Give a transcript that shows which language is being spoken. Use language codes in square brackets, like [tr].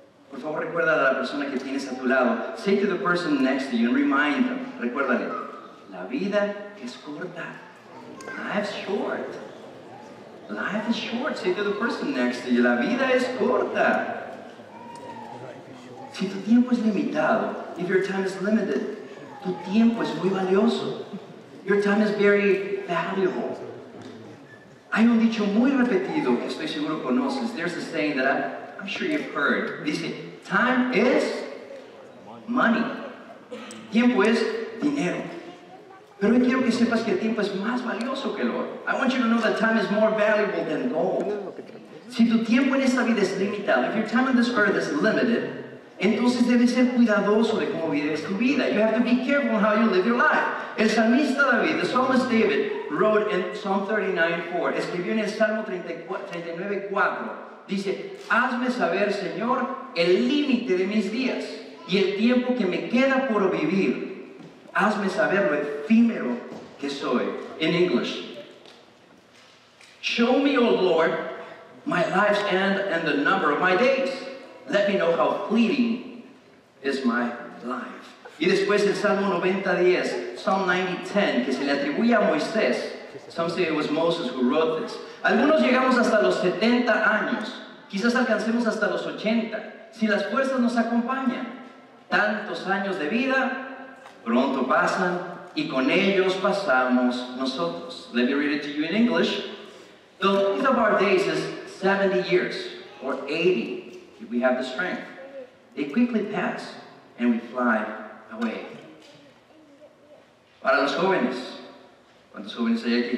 [es] Por favor, recuerda a la persona que tienes a tu lado. [en] Say to the person next to you and remind them. [es] Recuérdale. La vida es corta. [en] Life's short. Life is short. Say to the person next to you. [es] La vida es corta. Si tu tiempo es limitado, [en] if your time is limited, [es] tu tiempo es muy valioso. [en] Your time is very valuable. [es] Hay un dicho muy repetido que estoy seguro conoces. [en] There's a saying that I'm sure you've heard. Dice, time is money. [es] Tiempo es dinero. Pero hoy quiero que sepas que el tiempo es más valioso que el oro. [en] I want you to know that time is more valuable than gold. [es] Si tu tiempo en esta vida es limitado, [en] if your time on this earth is limited, [es] entonces debes ser cuidadoso de cómo vives tu vida. [en] You have to be careful how you live your life. [es] El salmista David, [en] the psalmist David, wrote in Psalm 39:4, [es] escribió en el Salmo 39:4, dice, hazme saber, Señor, el límite de mis días y el tiempo que me queda por vivir. Hazme saber lo efímero que soy. [en] In English, show me, O Lord, my life's end and the number of my days. Let me know how fleeting is my life. [es] Y después el Salmo 90:10, Psalm 90:10, que se le atribuye a Moisés. [en] Some say it was Moses who wrote this. [es] Algunos llegamos hasta los 70 años. Quizás alcancemos hasta los 80. Si las fuerzas nos acompañan, tantos años de vida pronto pasan y con ellos pasamos nosotros. [en] Let me read it to you in English. The length of our days is 70 years or 80. We have the strength. They quickly pass and we fly away. [es] Para los jóvenes. ¿Cuántos jóvenes hay aquí?